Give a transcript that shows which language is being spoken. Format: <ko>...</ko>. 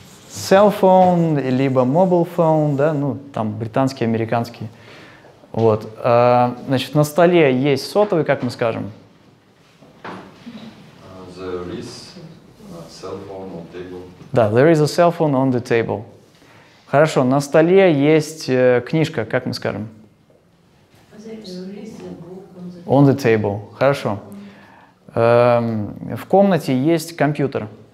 <ru>Cell phone, либо mobile phone, да, ну, там, британский, американский. Вот. Значит, на столе есть сотовый, как мы скажем?</ru> <en>There is a cell phone on the table. Да, there is a cell phone on the table.</en> <ru>Хорошо, на столе есть книжка, как мы скажем?</ru> <en>There is a book on the table. On the table, хорошо.</en> <ru>В комнате есть компьютер.</ru>